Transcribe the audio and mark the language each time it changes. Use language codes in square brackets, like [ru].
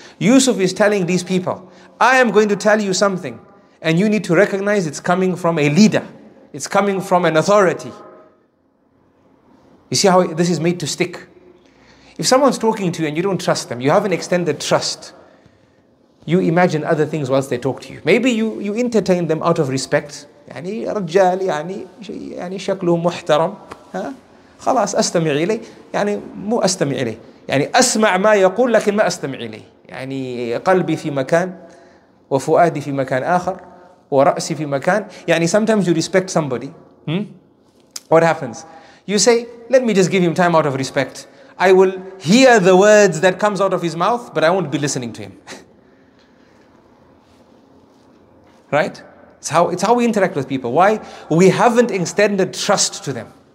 [en] Yusuf is telling these people, I am going to tell you something, and you need to recognize it's coming from a leader. It's coming from an authority. You see how this is made to stick? If someone's talking to you and you don't trust them, you haven't extended trust, you imagine other things whilst they talk to you. Maybe you entertain them out of respect. [ar] يعني رجال يعني شكله محترم خلاص أستمع إليه يعني مو أستمع إليه يعني أسمع ما يقول لكن ما أستمع إليه يعني قلبي في مكان وفؤادي في مكان آخر ورأسي في مكان يعني [en] sometimes you respect somebody. What happens? You say, let me just give him time out of respect. I will hear the words that comes out of his mouth, but I won't be listening to him. Right? It's how we interact with people. Why? We haven't extended trust to them.